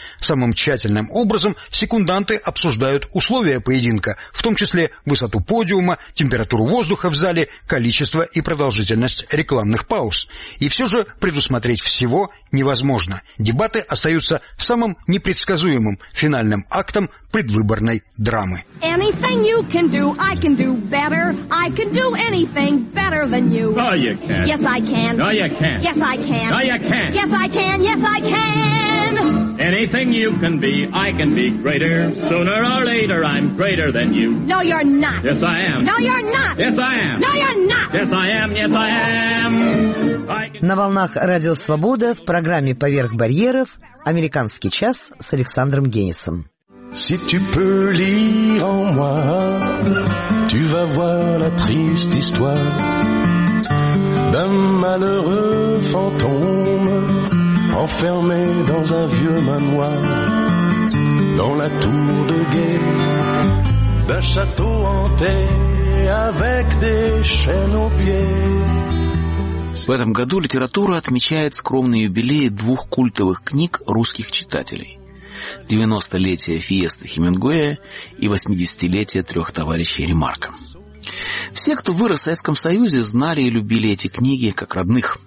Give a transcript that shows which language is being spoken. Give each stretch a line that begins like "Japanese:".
Russian: Самым тщательным образом секунданты обсуждают условия поединка, в том числе высоту подиума, температуру воздуха в зале, количество и продолжительность рекламных пауз. И все же предусмотреть всего невозможно. Дебаты остаются самым непредсказуемым финальным актом предвыборной драмы.
English: Anything you can do, I can do better. I can do anything better than you. No, you can. Yes, I can. No, you can. Yes, I can. No, you can. Yes, I can. Yes, I can. Anything you can be, I can be greater. Sooner or later, I'm greater than you. No, you're not. Yes, I am. No, you're not. Yes, I am. No, you're not. Yes, I am. Yes, I am.
Russian: На волнах Радио Свобода в программе «Поверх барьеров» «Американский час» с Александром Геннисом.
French: Si tu peux lire en moi, tu vas voir la triste histoire d'un malheureux fantôme enfermé dans un vieux manoir, dans la tour de guet d'un château hanté avec des chaînes aux pieds.
Russian: В этом году литература отмечает скромный юбилей двух культовых книг русских читателей. 90-летие «Фиесты Хемингуэя» и 80-летие «Трех товарищей Ремарка». Все, кто вырос в Советском Союзе, знали и любили эти книги как родных.